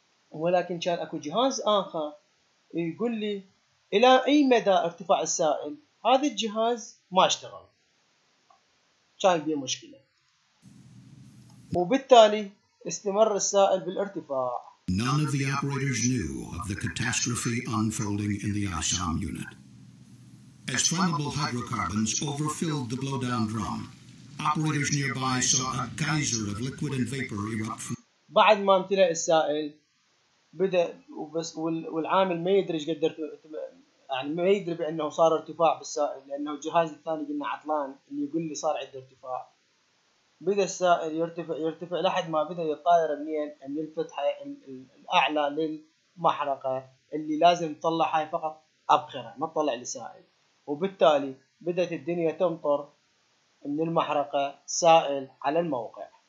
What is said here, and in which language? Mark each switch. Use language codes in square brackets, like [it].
[ar] ولكن كان اكو جهاز اخر يقول لي الى اي مدى ارتفاع السائل، هذا الجهاز ما اشتغل، كان فيه مشكله، وبالتالي استمر السائل بالارتفاع. [en] None of the operators knew of the catastrophe unfolding in the Assam unit. As flammable hydrocarbons overfilled the blowdown drum, operators nearby saw a geyser of liquid and vapor erupt from. [ar] بعد ما امتلا السائل بدا وبس والعامل ما يدري ايش قدر، يعني ما يدري بانه صار ارتفاع بالسائل لانه الجهاز الثاني قلنا عطلان اللي يقول لي صار عنده ارتفاع. بدا السائل يرتفع لحد ما بدا يطاير منين من الفتحه الاعلى للمحرقه اللي لازم تطلع هاي فقط ابخره ما تطلع لسائل، وبالتالي بدات الدنيا تمطر من المحرقه سائل على الموقع.